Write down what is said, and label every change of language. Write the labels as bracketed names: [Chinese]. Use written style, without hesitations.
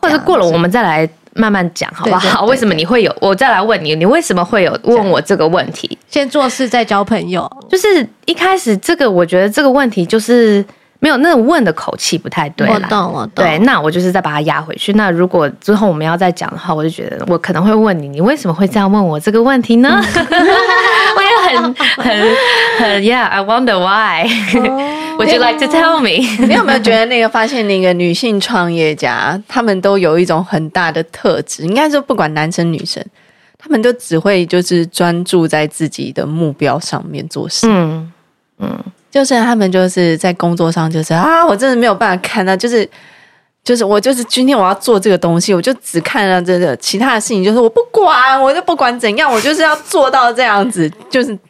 [Chinese] 或者过了我们再来慢慢讲，好不好？對對對對，为什么你会有，我再来问你，你为什么会有问我这个问题？先做事再交朋友。就是一开始这个，我觉得这个问题就是没有那個、问的口气不太对啦。我懂我懂。对，那我就是再把它压回去。那如果之后我们要再讲的话，我就觉得我可能会问你，你为什么会这样问我这个问题呢？我也很 [English] yeah I wonder why Would you like to tell me？ [Chinese] 你有没有觉得那个发现那个女性创业家，他们都有一种很大的特质，应该说不管男生女生，他们都只会就是专注在自己的目标上面做事。就是他们就是在工作上就是我真的没有办法看到，就是我就是今天我要做这个东西，我就只看到这个，其他的事情就是我不管，我就不管怎样，我就是要做到这样子，就是。